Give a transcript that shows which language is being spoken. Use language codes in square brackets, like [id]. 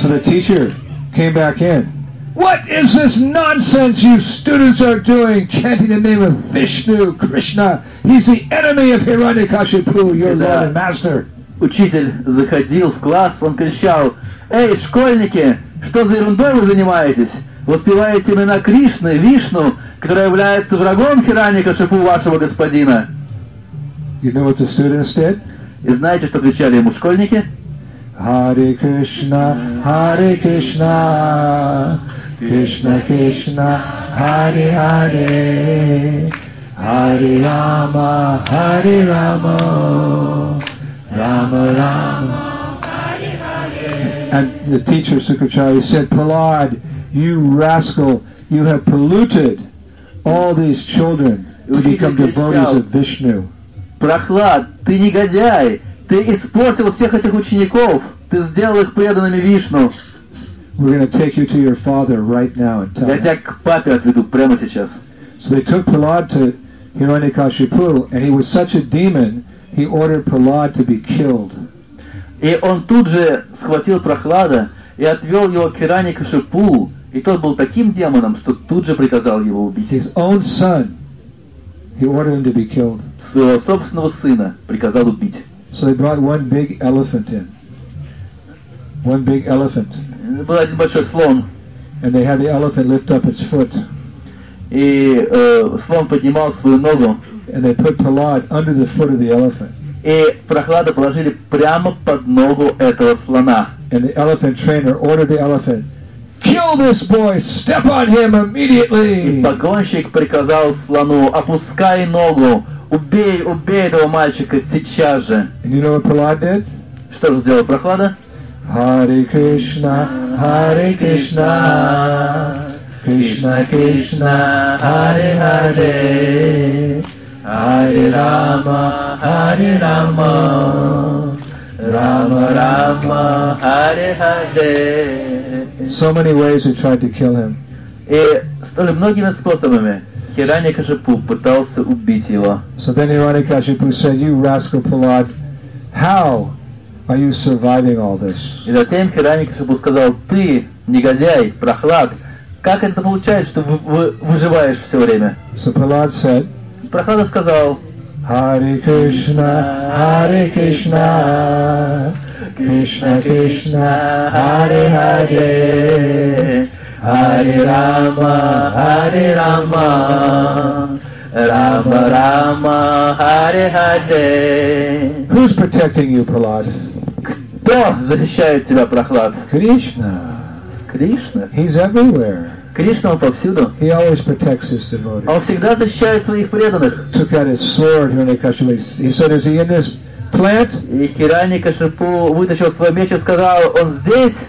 [en] So the teacher came back in. What is this nonsense you students are doing, chanting the name of Vishnu, Krishna? He's the enemy of Hiranyakashipu, your lord and master. [ru] Учитель заходил в класс, он кричал, «Эй, школьники, что за ерундой вы занимаетесь? Воспеваете имена Кришны, Вишну, которая является врагом Хиранья-Кашипу вашего господина?» [en] You know what the students did? [ru] И знаете, что кричали ему школьники? [sa] Hare Krishna, Hare Krishna, Krishna Krishna, Hare Hare. Hare Rama, Hare Rama, Rama Rama Hare Hare. [en] And the teacher Sukracharya said, Prahlad, you rascal, you have polluted all these children to become devotees of Vishnu. [ru] Прохлад, ты негодяй, ты испортил всех этих учеников, ты сделал их преданными Вишну. [en] We're going to take you to your father right now and tell him. [ru] Я тебя к папе отведу прямо сейчас. [en] So they took Prahlad to Hiranyakashipu, and he was such a demon, he ordered Prahlad to be killed. [ru] И он тут же схватил Прохлада и отвел его к Хираньякашипу, и тот был таким демоном, что тут же приказал его убить. [en] His own son, he ordered him to be killed. [ru] Своего собственного сына приказал убить. [en] So they brought one big elephant in. One big elephant. [ru] Был один большой слон. [en] And they had the elephant lift up its foot. [ru] И слон поднимал свою ногу. [en] And they put Prahlad under the foot of the elephant. [ru] И Прохлада положили прямо под ногу этого слона. [en] And the elephant trainer ordered the elephant, kill this boy, step on him immediately. [ru] И погонщик приказал слону, опускай ногу. Убей, убей этого мальчика сейчас же. [en] And you know what Prahlad did? [ru] Что же сделал Прохлада? [sa] Hare Krishna, Hare Krishna, Krishna Krishna, Hare Hare, Hare Rama, Hare Rama, Rama Rama, Hare Hare. [en] So many ways he tried to kill him. [ru] И столь многими способами Хираньякашипу пытался убить его. [en] So then Хираньякашипу said, you rascal Prahlad, how are you surviving all this? [ru] И затем Хираньякашипу сказал, ты, негодяй, Прохлад, как это получается, что выживаешь все время? [en] So Prahlad said, [ru] Прохлада сказал, [sa] Hare Krishna, Hare Krishna, Krishna Krishna, Hare Hare, Hare Rama, Hare Rama, Rama Rama, Hare Hare. [en] Who's protecting you, Prahlad? [ru] Кто защищает тебя, Прохлад? Кришна. Кришна? [en] He's everywhere. [ru] Кришна повсюду. [en] He always protects his devotees. [ru] Он всегда защищает своих преданных. [en] Took out his sword, Hiranyakashipu. He said, is he in this plant? [ru] И Хираньякашипу вытащил свой меч и сказал, он здесь?